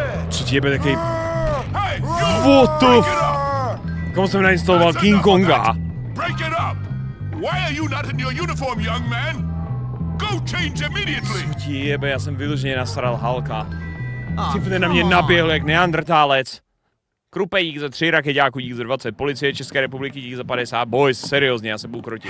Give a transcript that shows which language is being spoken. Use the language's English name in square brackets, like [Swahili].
[Czech] Co ti jebe takej... [English] What the f... [Czech] Komu jsem nainstaloval King Konga? [English] Break it up! Why are you not in your uniform, young man? Go change immediately! [Czech] Co ti jebe, já jsem vyloženě nasral Hulka. Ty bude na mě naběhl jak neandrtálec. Krupe, dík za 3, rakeďáku, dík za 20, policie České republiky, dík za 50, boys, seriózně, já se budu krotit.